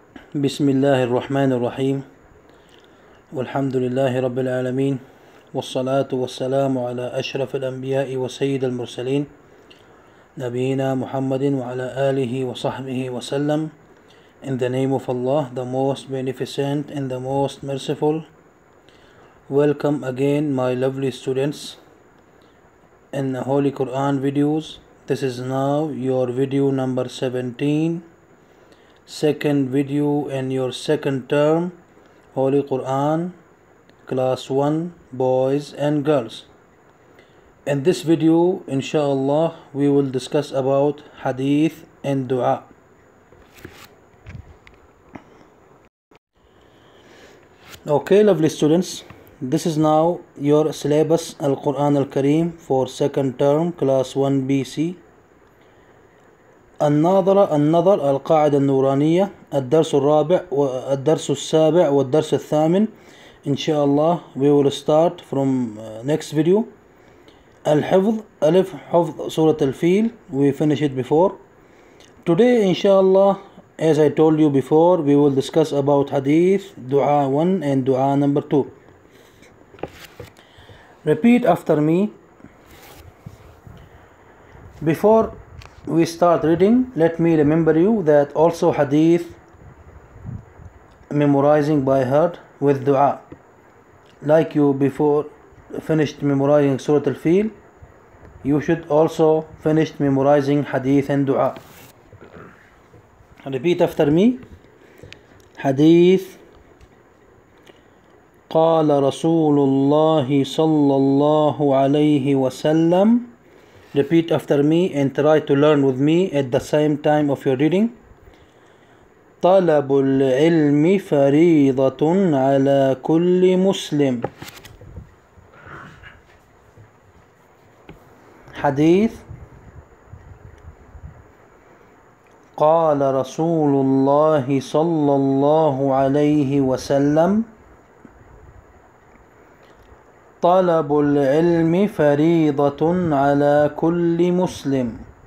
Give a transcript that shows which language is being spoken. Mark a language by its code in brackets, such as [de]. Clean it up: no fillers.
[ar] بسم الله الرحمن الرحيم، والحمد لله رب العالمين، والصلاة والسلام على أشرف الأنبياء وسيد المرسلين نبينا محمد وعلى آله وصحبه وسلم. [en] In the name of Allah, the most beneficent and the most merciful. Welcome again, my lovely students, in the Holy Quran videos. This is now your video number 17. Second video in your second term, Holy Quran, class 1, boys and girls. In this video, inshallah, we will discuss about hadith and dua. Okay, lovely students, this is now your syllabus, Al-Quran Al-Kareem, for second term, class 1BC. [ar] النظرة النظر القاعدة النورانية الدرس الرابع والدرس السابع والدرس الثامن إن شاء الله [en] we will start from next video. [ar] الحفظ ألف حفظ سورة الفيل [en] we finished it before. Today [ar] إن شاء الله [en] as I told you before we will discuss about hadith دعاء 1 and دعاء number 2. Repeat after me. Before we start reading, let me remember you that also hadith memorizing by heart with dua, like you before finished memorizing Surah Al-Fil, you should also finish memorizing hadith and dua. Repeat after me. [ar] Hadith qala Rasulullah sallallahu alayhi wa sallam. [en] Repeat after me and try to learn with me at the same time of your reading. [ar] طلب العلم فريضة على كل مسلم. حديث قال رسول الله صلى الله عليه وسلم طلب العلم فريضة على كل مسلم.